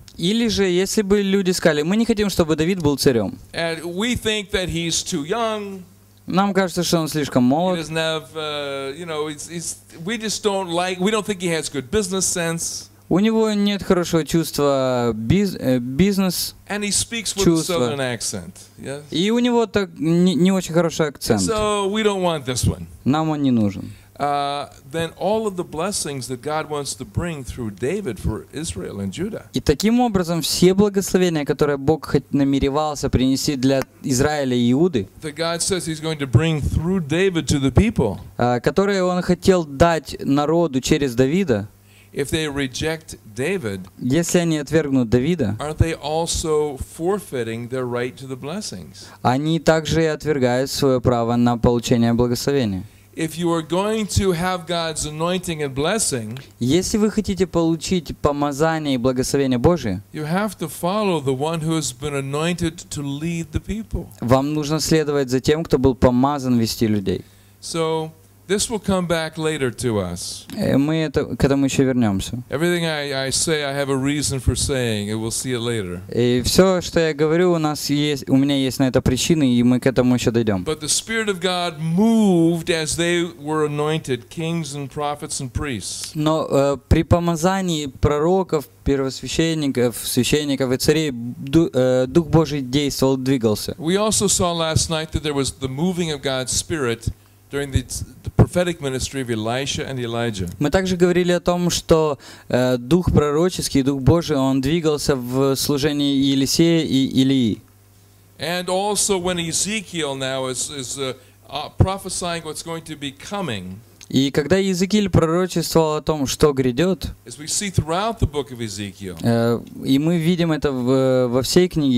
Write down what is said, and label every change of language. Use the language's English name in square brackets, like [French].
[Russian] Или же, если бы люди сказали, мы не хотим, чтобы Давид был царем. [English] And we think that he's too young. [Russian] Нам кажется, что он слишком молод. [English] He doesn't have, you know, it's we just don't like, we don't think he has good business sense. [Russian] У него нет хорошего чувства бизнес-чувства. И у него так не очень хороший акцент. [English] So we don't want this one. [Russian] Нам он не нужен. [English] Then all of the blessings that God wants to bring through David for Israel and Judah. [Russian] И таким образом все благословения, которые Бог намеревался принести для Израиля и Иуды, [English] that God says He's going to bring through David to the people. [Russian] Которые он хотел дать народу через Давида. [English] If they reject David, [Russian] если они отвергнут Давида, [English] aren't they also forfeiting their right to the blessings? [Russian] Они также и отвергают свое право на получение благословения. [English] If you are going to have God's anointing and blessing, [Russian] если вы хотите получить помазание и благословение Божие, [English] you have to follow the one who has been anointed to lead the people. [Russian] Вам нужно следовать за тем, кто был помазан вести людей. [English] So this will come back later to us. [Russian] Мы это к этому еще вернемся. [English] Everything I say, I have a reason for saying, and we'll see it later. [Russian] И все, что я говорю, у меня есть на это причины, и мы к этому еще дойдем. [English] But the Spirit of God moved as they were anointed kings and prophets and priests. [Russian] Но при помазании пророков, первосвященников, священников и царей Дух Божий действовал, двигался. [English] We also saw last night that there was the moving of God's Spirit during the prophetic ministry of Elisha and Elijah. [Russian] Мы также говорили о том, что дух пророческий, дух Божий, он двигался в служении Елисея и Илии. [English] And also when Ezekiel now is prophesying what's going to be coming. [Russian] И когда Иезекииль пророчествовал о том, что грядет, и мы видим это во всей книге